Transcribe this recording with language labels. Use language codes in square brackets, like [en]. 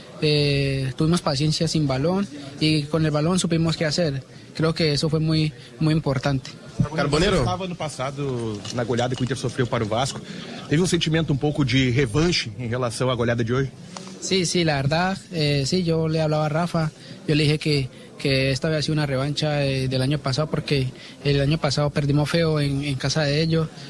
[es] Tuvimos paciencia sin balón y con el balón supimos qué hacer. Creo que eso fue muy, muy importante. [pt] Carboneiro, estava ano passado na goleada que o Inter sofreu para o Vasco. Teve um sentimento um pouco de revanche em relação à goleada de hoje? [es] Sim, la verdad, yo le hablaba a Rafa, yo le dije que esta había sido una revancha del año pasado, porque el año pasado perdimos feo en casa de ellos.